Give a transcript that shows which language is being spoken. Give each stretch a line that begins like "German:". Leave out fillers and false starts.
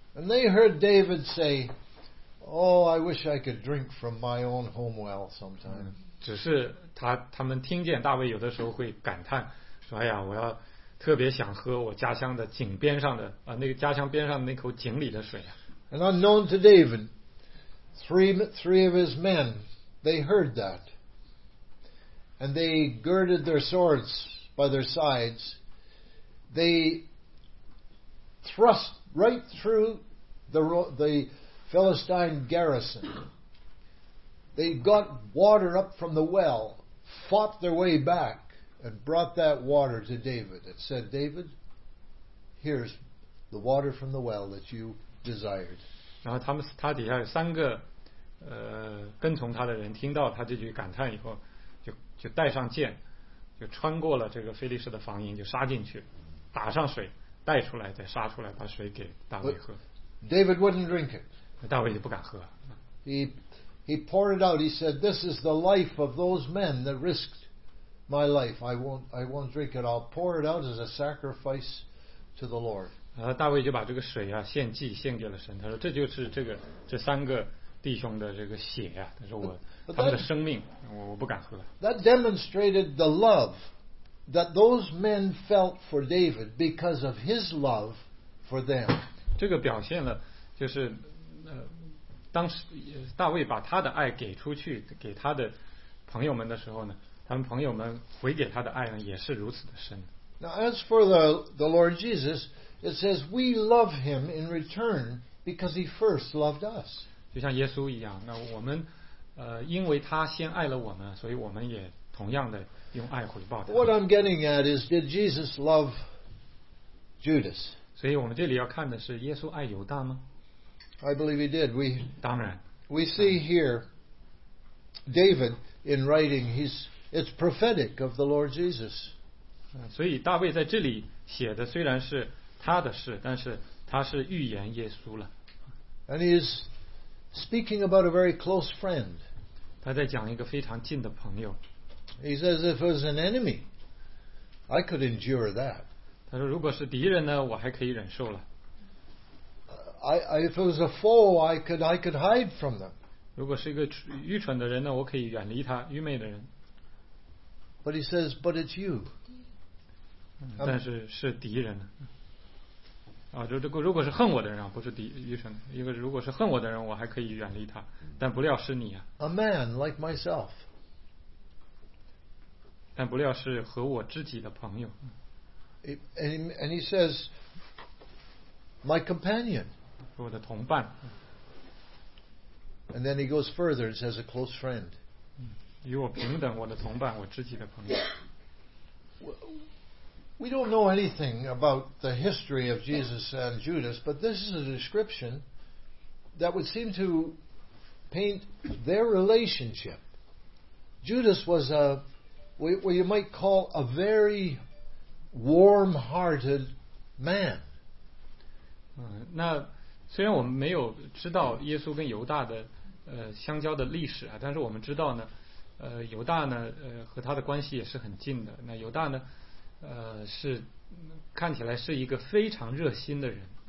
English: And they heard David say, "Oh, I wish I could drink from my own home well sometime."
Chinese: 只是他们听见大卫有的时候会感叹，说：“哎呀，我要特别想喝我家乡的井边上的那个家乡边上那口井里的水啊。”
English: And unknown to David, three of his men they heard that, and they girded their swords by their sides. They thrust right through the Philistine garrison. They got water up from the well, fought their way back, and brought that water to David. It said, David, here's the water from the well that you desired.
Chinese: 然后他底下有三个跟从他的人听到他这句感叹以后，就带上剑，就穿过了这个非利士的防营，就杀进去，打上水，带出来，再杀出来，把水给大卫喝。
English: David wouldn't drink it.
Chinese: 大卫就不敢喝。
English: He poured it out. He said, "This is the life of those men that risked my life. I won't drink it. I'll pour it out as a sacrifice to the Lord."
Chinese: 然后大卫就把这个水啊献祭献给了神。他说，这就是这三个弟兄的这个血啊，他说我他们的生命，我不敢喝。
English: That demonstrated the love that those men felt for David because of his love for them.
Chinese: 这个表现了就是当时大卫把他的爱给出去给他的朋友们的时候呢，他们朋友们回给他的爱呢也是如此的深。
English: Now as for the Lord Jesus, it says we love him in return because he first loved us.
Chinese: 就像耶稣一样，那我们因为他先爱了我们，所以我们也同样的用爱回报他。
English: What I'm getting at is, did Jesus love Judas?
Chinese: 所以我们这里要看的是耶稣爱犹大吗？
English: I believe he did. We see here David in writing. It's prophetic of the Lord Jesus.
Chinese: 所以大卫在这里写的虽然是他的事，但是他是预言耶稣了。
English: And he is speaking about a very close friend.
Chinese: 他在讲一个非常近的朋友。
English: He says, "If it was an enemy, I could endure that."
Chinese: 他说，如果是敌人呢，我还可以忍受了。
English: I, if it was a foe, I could hide from them.
Chinese: 如果是一个愚蠢的人呢，我可以远离他，愚昧的人。
English: But he says, "But it's you."
Chinese: 但是是敌人。啊，如果是恨我的人，不是敌愚蠢的，因为如果是恨我的人，我还可以远离他，但不料是你啊。
English: A man like myself.
Chinese: 但不料是和我知己的朋友。
English: And he says, "My companion." And then he goes further and says, "A close friend."
Chinese: 与我平等，我的同伴，我知己的朋友。
English: We don't know anything about the history of Jesus and Judas, but this is a description that would seem to paint their relationship. Judas was a, what you might call a very warm-hearted man.
Chinese: 那虽然我们没有知道耶稣跟犹大的相交的历史啊，但是我们知道呢，犹大呢和他的关系也是很近的。那犹大呢，是看起来是一个非常热心的人。